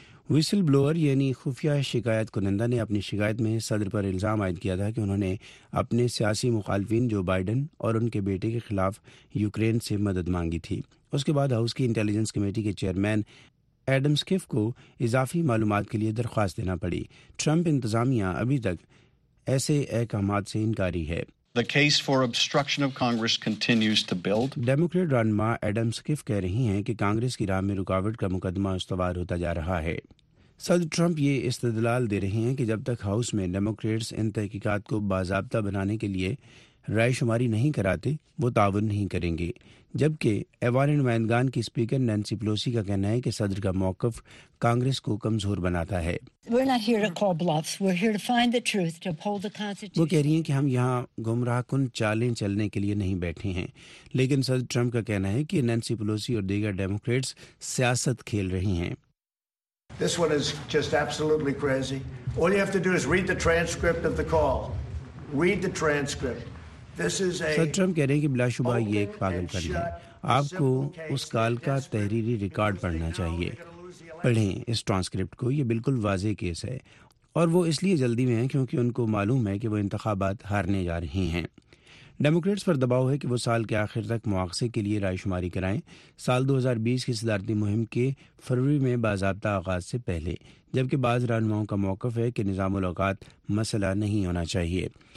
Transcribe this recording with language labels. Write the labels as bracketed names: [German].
[Urdu] Vessel blower یعنی خفیہ شکایت کنندہ نے اپنی شکایت میں صدر پر الزام عائد کیا تھا کہ انہوں نے اپنے سیاسی مخالفین جو بائیڈن اور ان کے بیٹے کے خلاف یوکرین سے مدد مانگی تھی۔ اس کے بعد ہاؤس کی انٹیلیجنس کمیٹی کے چیئرمین ایڈم سکیف کو اضافی معلومات کے لیے درخواست دینا پڑی۔ ٹرمپ انتظامیہ ابھی تک ایسے احکامات سے انکاری ہے۔ [English] The case for obstruction of Congress continues to build. [Urdu] Democrat رہنما ایڈم سکیف کہہ رہی ہیں کہ کانگریس کی راہ میں رکاوٹ کا مقدمہ استوار ہوتا جا رہا ہے۔ صدر ٹرمپ یہ استدلال دے رہے ہیں کہ جب تک ہاؤس میں ڈیموکریٹس ان تحقیقات کو باضابطہ بنانے کے لیے رائے شماری نہیں کراتے وہ تعاون نہیں کریں گے، جبکہ ایوان نمائندگان کی اسپیکر نینسی پلوسی کا کہنا ہے کہ صدر کا موقف کانگریس کو کمزور بناتا ہے۔ وہ کہہ رہی ہیں کہ ہم یہاں گمراہ کن چالیں چلنے کے لیے نہیں بیٹھے ہیں، لیکن صدر ٹرمپ کا کہنا ہے کہ نینسی پلوسی اور دیگر ڈیموکریٹس سیاست کھیل رہی ہیں۔ [English] This one is just absolutely crazy. All you have to do is read the transcript of the call. Read the transcript. [Urdu] صدر ٹرمپ کہہ رہے ہیں کہ بلا شبہ یہ ایک پاگل پن ہے، آپ کو اس کال کا تحریری ریکارڈ پڑھنا چاہیے، پڑھیں اس ٹرانسکرپٹ کو، یہ بالکل واضح کیس ہے۔ اور وہ اس لیے جلدی میں ہیں کیونکہ ان کو معلوم ہے کہ وہ انتخابات ہارنے جا رہی ہیں۔ ڈیموکریٹس پر دباؤ ہے کہ وہ سال کے آخر تک مواخذے کے لیے رائے شماری کرائیں، سال 2020 کی صدارتی مہم کے فروری میں باضابطہ آغاز سے پہلے، جبکہ بعض رہنماؤں کا موقف ہے کہ نظام الاوقات مسئلہ نہیں ہونا چاہیے۔